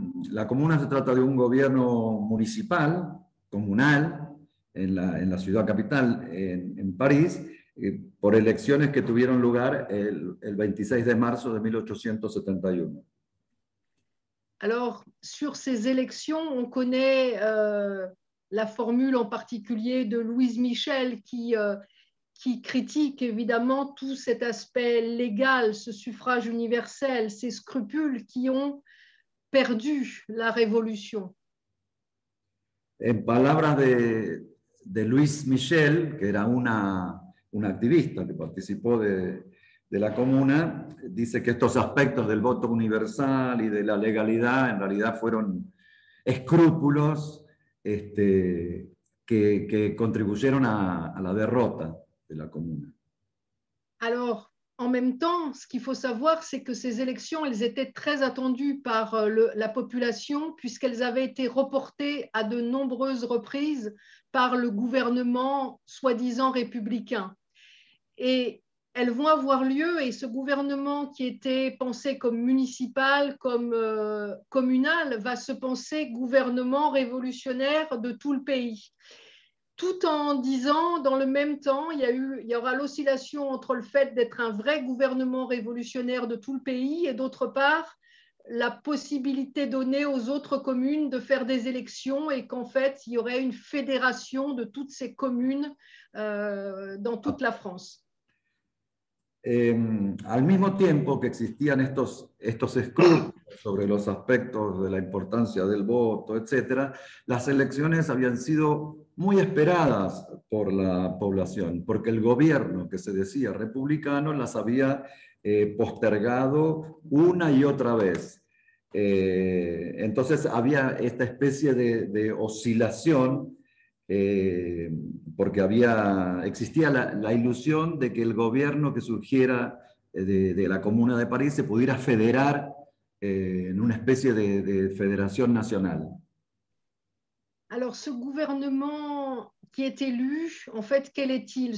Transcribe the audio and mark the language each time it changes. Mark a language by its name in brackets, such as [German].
[Spanish] La comuna se trata de un gobierno municipal, comunal, en la ciudad capital, en París, por elecciones que tuvieron lugar el 26 de marzo de 1871. [French] Alors, sur ces élections, on connaît la formule en particulier de Louise Michel, qui, euh, qui critique évidemment tout cet aspect légal, ce suffrage universel, ces scrupules qui ont perdu la révolution. [Spanish] En palabras de Luis Michel, que era un activista que participó de la comuna, dice que estos aspectos del voto universal y de la legalidad en realidad fueron escrúpulos que contribuyeron a la derrota de la comuna. [French] Alors, en même temps, ce qu'il faut savoir, c'est que ces élections, elles étaient très attendues par la population, puisqu'elles avaient été reportées à de nombreuses reprises par le gouvernement soi-disant républicain. Et elles vont avoir lieu, et ce gouvernement qui était pensé comme municipal, comme communal, va se penser gouvernement révolutionnaire de tout le pays. Tout en disant, dans le même temps, il y aura l'oscillation entre le fait d'être un vrai gouvernement révolutionnaire de tout le pays et d'autre part, la possibilité donnée aux autres communes de faire des élections et qu'en fait, il y aurait une fédération de toutes ces communes dans toute la France. [Spanish] Al mismo tiempo que existían estos escrúpulos sobre los aspectos de la importancia del voto, etc., las elecciones habían sido muy esperadas por la población, porque el gobierno que se decía republicano las había postergado una y otra vez. Entonces había esta especie de oscilación porque existía la ilusión de que el gobierno que surgiera de la Comuna de París se pudiera federar en una especie de federación nacional. [French] Alors, ce gouvernement qui est élu, en fait, quel est-il?